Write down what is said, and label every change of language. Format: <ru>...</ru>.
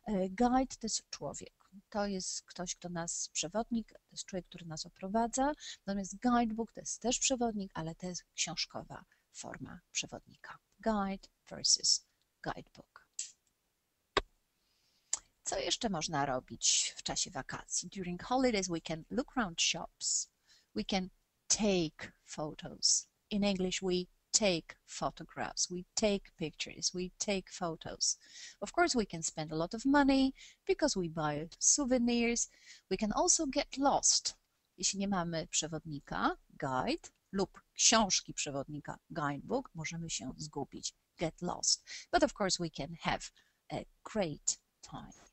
<pl>Guide to jest człowiek. To jest ktoś, kto nas przewodnik, to jest człowiek, który nas oprowadza. Natomiast guidebook to jest też przewodnik, ale to jest książkowa forma przewodnika.</pl> <en>Guide versus guidebook.</en> <pl>Co jeszcze można robić w czasie wakacji?</pl> <en>During holidays we can look around shops, we can take photos. In English we take photographs, we take pictures, we take photos. Of course we can spend a lot of money because we buy souvenirs. We can also get lost.</en> <pl>Jeśli nie mamy przewodnika, guide, lub książki przewodnika, guidebook, możemy się zgubić,</pl> <en>get lost. But of course we can have a great time.</en>